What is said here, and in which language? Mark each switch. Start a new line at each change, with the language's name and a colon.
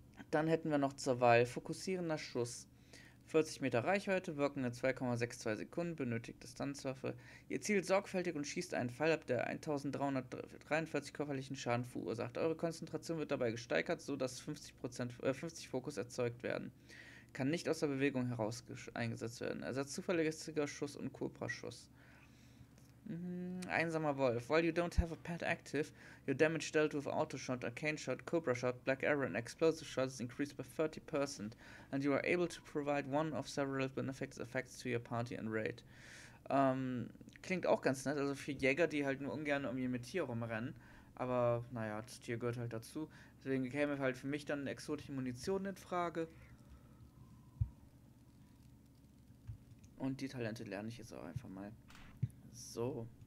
German: Dann hätten wir noch zur Wahl fokussierender Schuss. 40 Meter Reichweite, wirkende 2,62 Sekunden, benötigt Distanzwaffe. Ihr zielt sorgfältig und schießt einen Pfeil ab, der 1.343 körperlichen Schaden verursacht. Eure Konzentration wird dabei gesteigert, sodass 50 Fokus erzeugt werden. Kann nicht aus der Bewegung heraus eingesetzt werden. Ersatz zuverlässiger Schuss und Cobra-Schuss. Einsamer Wolf.
English: While you don't have a pet active, your damage dealt with Auto Shot, Arcane Shot, Cobra Shot, Black Arrow and Explosive Shot is increased by 30% and you are able to provide one of several benefits effects to your party and raid.
German: Klingt auch ganz nett, also für Jäger, die halt nur ungern irgendwie mit Tier rumrennen, aber naja, das Tier gehört halt dazu. Deswegen käme halt für mich dann exotische Munition in Frage. Und die Talente lerne ich jetzt auch einfach mal. So.